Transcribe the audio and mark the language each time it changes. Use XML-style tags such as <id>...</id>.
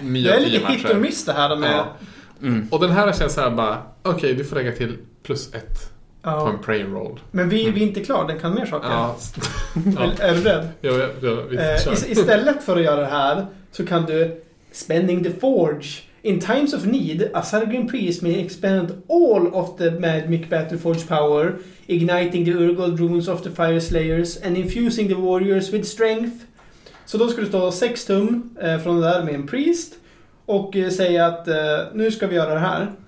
<sv>Det är lite hit och miss det här. De är... Och den här känns såhär bara, okej, vi får lägga till plus ett på en prey roll. Men vi är inte klara, den kan mer saker. Är du rädd? Istället för att göra det här så kan du</sv> <en>spending the forge. In times of need, a Sargon priest may expend all of the Magic Battle Forge power, igniting the Urgold runes of the Fire Slayers and infusing the warriors with strength.</en> <sv>Så då skulle du ta 6 tum från det där med en priest och säga att nu ska vi göra det här.</sv>